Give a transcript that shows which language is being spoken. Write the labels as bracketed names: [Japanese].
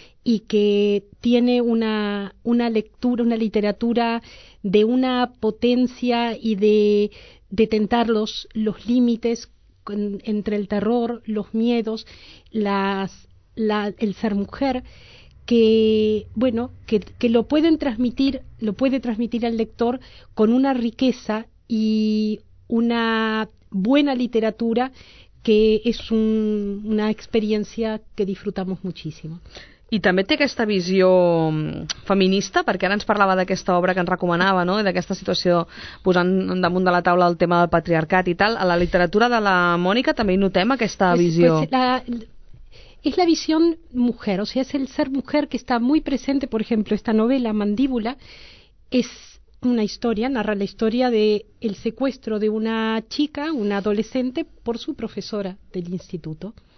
[Spanish] y que tiene una lectura, una literatura de una potencia y de tentar los límites entre el terror, los miedos, el ser mujer, que lo pueden transmitir, lo puede transmitir al lector con una riqueza y una buena literatura, que es una experiencia que disfrutamos muchísimo. [Catalan] I també té aquesta visió feminista, perquè ara ens parlava d'aquesta obra que ens recomanava, no?, i d'aquesta situació posant damunt de la taula el tema del patriarcat i tal. A la literatura de la Mònica també hi notem aquesta visió. [Spanish] Es la visión mujer, o sea, es el ser mujer que está muy presente. Por ejemplo, esta novela, Mandíbula, es una historia, narra la historia del secuestro de una chica, una adolescente, por su profesora del instituto.